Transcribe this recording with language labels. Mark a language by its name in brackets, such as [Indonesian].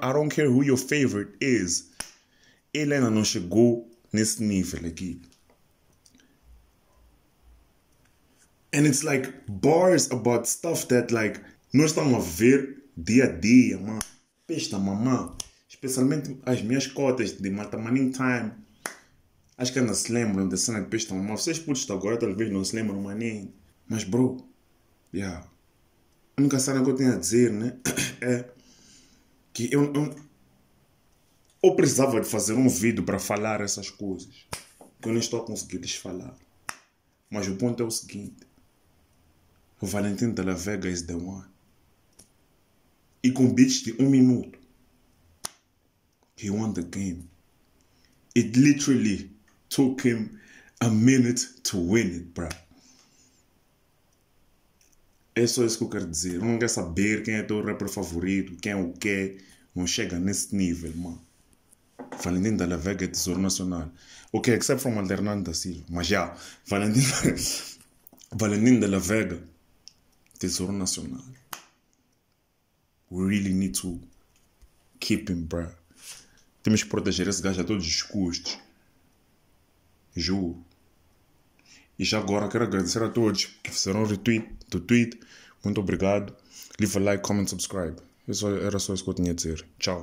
[English] I don't care who your favorite is. [Portuguese] Ele ainda não chegou nesse nível aqui. [English] And it's like bars about stuff that like [Portuguese] nós estamos a ver dia a dia, mano. Pesta, mamã. Especialmente as minhas cotas de Malta Manning Time. Acho que ainda se lembram da cena de Pesta, mamã. Vocês putos agora talvez não se lembram, maninho. Mas, bro, yeah. A única cena que eu tenho a dizer, né? É que eu precisava de fazer um vídeo para falar essas coisas. Que eu nem estou a conseguir lhes falar. Mas o ponto é o seguinte. O Valentino de la Vega [English] is the one. [Portuguese] E com beats de um minuto. [English] He won the game. It literally took him a minute to win it, bruh. [Portuguese] É só isso que eu quero dizer. Eu não quero saber quem é teu rapper favorito, quem é o quê. Não chega nesse nível, mano. Valentino de la Vega é tesouro nacional. [English] Ok, except from [Portuguese] Alternando da Silva. Mas já, Valentino de la Vega. Tesouro Nacional. [English] We really need to keep him, bruh. [Portuguese] Temos que proteger esse gajo a todos os custos. Juro. E já agora quero agradecer a todos que fizeram o retweet do tweet. Muito obrigado. [English] Leave a like, comment, subscribe. [Portuguese] Era só isso que eu tinha a dizer. Tchau.